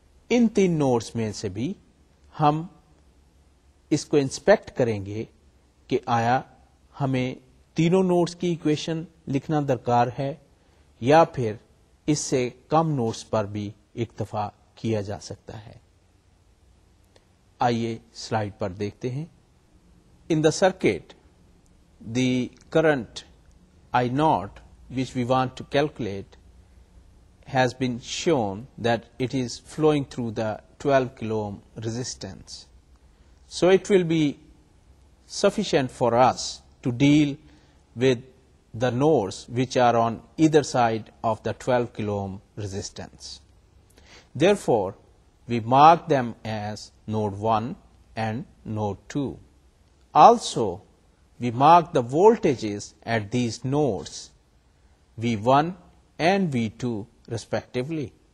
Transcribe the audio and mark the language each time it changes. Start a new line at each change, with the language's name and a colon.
Urdu: ان تین نوڈز میں سے بھی ہم اس کو انسپیکٹ کریں گے کہ آیا ہمیں تینوں نوڈز کی ایکویشن لکھنا درکار ہے یا پھر اس سے کم نوڈز پر بھی اکتفا کیا جا سکتا ہے. آئیے سلائیڈ پر دیکھتے ہیں.
English: In the circuit the current I0 which we want to calculate has been shown that it is flowing through the 12 kilo ohm resistance, so it will be sufficient for us to deal with the nodes which are on either side of the 12 kilo ohm resistance. Therefore, we mark them as node 1 and node 2. Also, we mark the voltages at these nodes, V1 and V2 respectively.